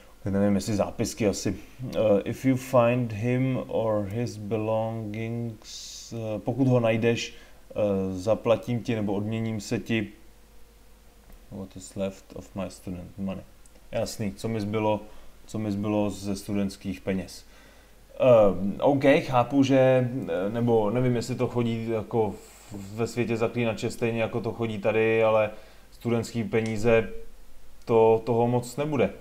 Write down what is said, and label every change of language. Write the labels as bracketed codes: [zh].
[cs] Nevím, jestli zápisky asi. [en] If you find him or his belongings, [cs] pokud ho najdeš, zaplatím ti nebo odměním se ti. [en] What is left of my student money? [cs] Jasný, co mi zbylo ze studentských peněz. OK, chápu, že, nebo nevím, jestli to chodí jako ve světě zaklínače stejně, jako to chodí tady, ale studentský peníze, to toho moc nebude.